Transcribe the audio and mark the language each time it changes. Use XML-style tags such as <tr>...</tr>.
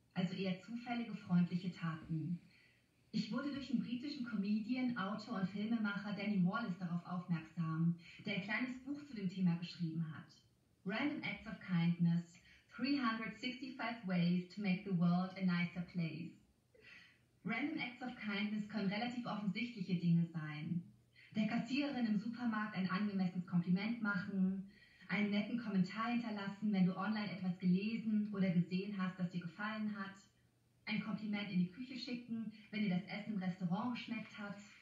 <de>Also eher zufällige, freundliche Taten. Ich wurde durch den britischen Comedian, Autor und Filmemacher Danny Wallace darauf aufmerksam, der ein kleines Buch zu dem Thema geschrieben hat.</de> <en>Random Acts of Kindness, 365 Ways to Make the World a Nicer Place.</en> <de>Random Acts of Kindness können relativ offensichtliche Dinge sein. Der Kassiererin im Supermarkt ein angemessenes Kompliment machen, einen netten Kommentar hinterlassen, wenn du online etwas gelesen oder gesehen hast, das dir gefallen hat. Ein Kompliment in die Küche schicken, wenn dir das Essen im Restaurant geschmeckt hat.</de>